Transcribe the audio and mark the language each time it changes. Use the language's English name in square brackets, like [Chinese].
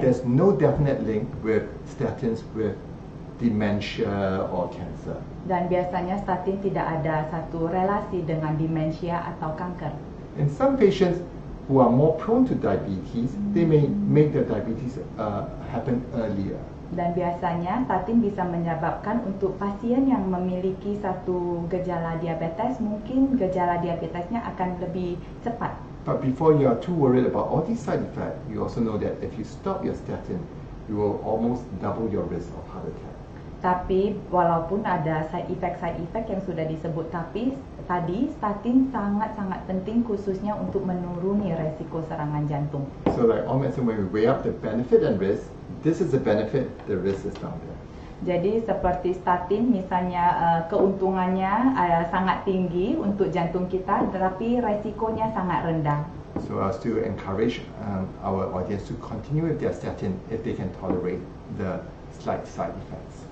[English] And there's no definite link with statins with dementia or cancer. [Indonesian] Dan biasanya statin tidak ada satu relasi dengan dementia atau kanker. [English] In some patients who are more prone to diabetes, they may make their diabetes happen earlier. [Indonesian] Dan biasanya statin bisa menyebabkan untuk pasien yang memiliki satu gejala diabetes, mungkin gejala diabetesnya akan lebih cepat. [English] But before you are too worried about all these side effects, you also know that if you stop your statin, you will almost double your risk of heart attack. [Indonesian] Tapi walaupun ada [English] side effect [Indonesian] yang sudah disebut, tapi tadi statin sangat-sangat penting khususnya untuk menuruni resiko serangan jantung. [English] So like all medicine, when we weigh up the benefit and risk, this is the benefit, the risk is down there. [Indonesian] Jadi seperti statin misalnya keuntungannya sangat tinggi untuk jantung kita tetapi resikonya sangat rendah. [English] So I still encourage our audience to continue with their statin if they can tolerate the slight side effects.